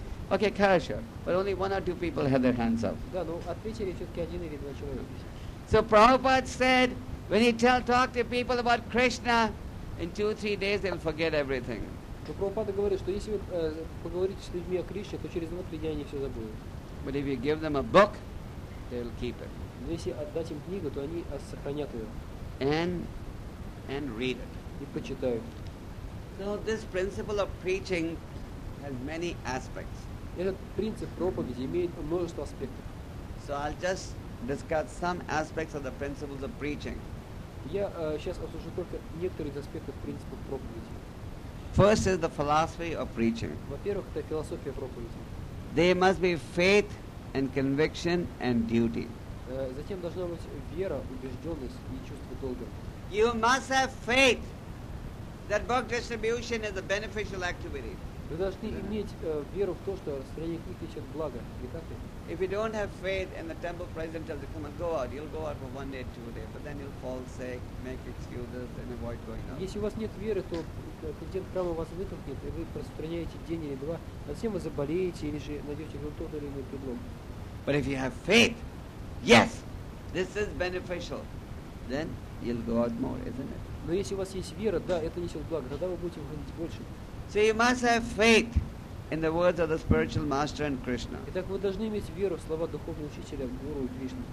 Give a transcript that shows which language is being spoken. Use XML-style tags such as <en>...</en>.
<en>Okay,</en> <ru>хорошо.</ru> <en>But only one or two people had their hands up.</en> <ru>Да, но ответили все-таки один или два человека.</ru> <en>So Prabhupada said, when he talk to people about Krishna, in 2-3 days they'll forget everything.</en> <ru>Но Прабхупада говорит, что если вы поговорите с людьми о Кришне, то через 2-3 дня они все забудут.</ru> <en>But if you give them a book, they'll keep it.</en> <ru>Но если отдать им книгу, то они сохранят ее.</ru> <en>And read it.</en> <ru>И почитают.</ru> <en>So this principle of preaching has many aspects.</en> <ru>Этот принцип проповеди имеет множество аспектов.</ru> <en>So I'll just discuss some aspects of the principles of preaching.</en> <ru>Я сейчас обсужу только некоторые из аспектов принципов проповеди.</ru> <en>First is the philosophy of preaching.</en> <ru>Во-первых, это философия проповеди.</ru> <en>There must be faith and conviction and duty.</en> <ru>Затем должна быть вера, убежденность и чувство долга.</ru> <en>You must have faith that book distribution is a beneficial activity.</en> <ru>Вы должны иметь веру в то, что распространение книг течет благо, не так ли?</ru> <en>If you don't have faith and the temple president tells you, come on, go out, you'll go out for 1 day, 2 days, but then you'll fall sick, make excuses and avoid going out.</en> <ru>Если у вас нет веры, то президент храма вас вытолкнет, и вы распространяете день или два, затем вы заболеете или же найдете тот или иной предлог.</ru> <en>But if you have faith, yes, this is beneficial, then you'll go out more, isn't it?</en> <ru>Но если у вас есть вера, да, это несет благо, тогда вы будете выходить больше.</ru> <en>So you must have faith in the words of the spiritual master and Krishna.</en> <ru>Итак, вы должны иметь веру в слова духовного учителя Гуру и Кришны.</ru>